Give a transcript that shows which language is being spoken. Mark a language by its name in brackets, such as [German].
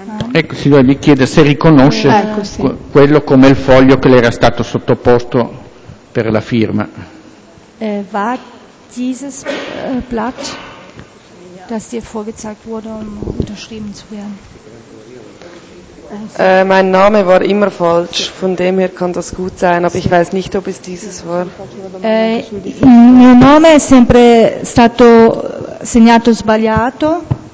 [Italian] Ecco, signora, gli chiede se riconosce quello come il foglio che le era stato sottoposto per la firma. [German] War dieses Blatt, das dir vorgezeigt wurde, um unterschrieben zu werden? Mein Name war immer falsch, von dem her kann das gut sein, aber ich weiß nicht, ob es dieses war. [Italian] Mio nome è sempre stato segnato sbagliato.